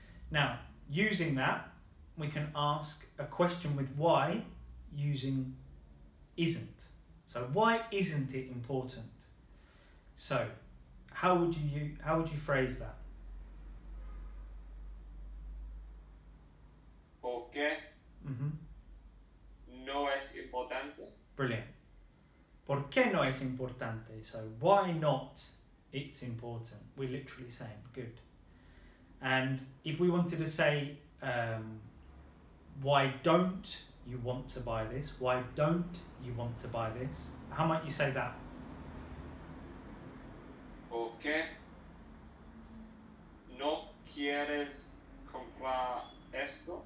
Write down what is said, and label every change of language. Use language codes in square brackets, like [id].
[en] Now, using that, we can ask a question with why using isn't. So why isn't it important? So, how would you phrase that? [es] ¿Por qué no es importante? [en] Brilliant. [es] ¿Por qué no es importante? [en] So, why not it's important? We're literally saying, good. And if we wanted to say, why don't you want to buy this? Why don't you want to buy this? How might you say that? [es] ¿Por qué no quieres comprar esto?